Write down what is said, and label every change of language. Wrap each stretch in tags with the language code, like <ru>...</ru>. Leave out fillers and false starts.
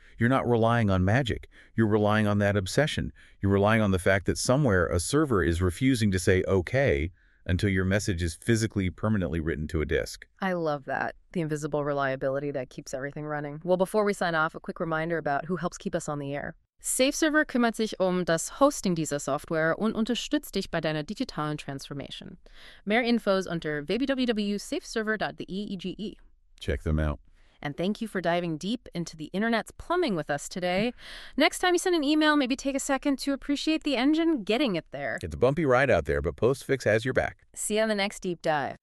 <en>You're not relying on magic. You're relying on that obsession. You're relying on the fact that somewhere a server is refusing to say okay until your message is physically permanently written to a disk. I love that. The invisible reliability that keeps everything running. Well, before we sign off, a quick reminder about who helps keep us on the air.</en> <de>SafeServer kümmert sich das Hosting dieser Software und unterstützt dich bei deiner digitalen Transformation. Mehr Infos unter www.safeserver.deege.</de> <en>Check them out. And thank you for diving deep into the internet's plumbing with us today. Next time you send an email, maybe take a second to appreciate the engine getting it there. It's a bumpy ride out there, but PostFix has your back. See you on the next deep dive.</en>